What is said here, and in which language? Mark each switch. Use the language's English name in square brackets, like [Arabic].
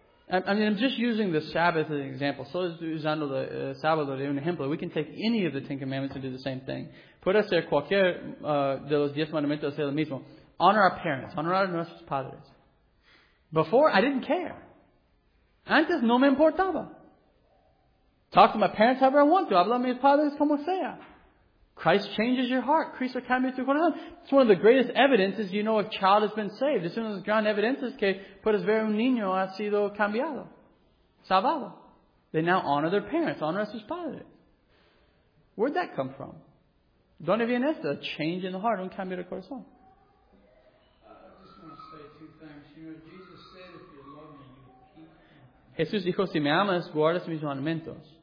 [English] I mean, I'm just using the Sabbath as an example. [Spanish] So usando el sábado de un ejemplo. [English] We can take any of the Ten Commandments and do the same thing. [Spanish] Puede ser cualquier de los diez mandamientos hacer lo mismo. [English] Honor our parents. [Spanish] Honor a nuestros padres. [English] Before, I didn't care. [Spanish] Antes, no me importaba. [English] Talk to my parents however I want to. [Spanish] Habla a mis padres como sea. [English] Christ changes your heart. [Spanish] Cristo cambia tu corazón. [English] It's one of the greatest evidences you know a child has been saved. It's one of the grand evidences [Spanish] que puedes ver un niño ha sido cambiado. Salvado. [English] They now honor their parents. [Spanish] Honor a sus padres. [English] Where'd that come from? [Spanish] ¿Dónde viene esto? [English] A change in the heart. [Spanish] Un cambio de corazón. [English] I just want to say two things. You know, Jesus said, if you love me, you keep. [Spanish] Jesús dijo, si me amas, guardas mis mandamientos.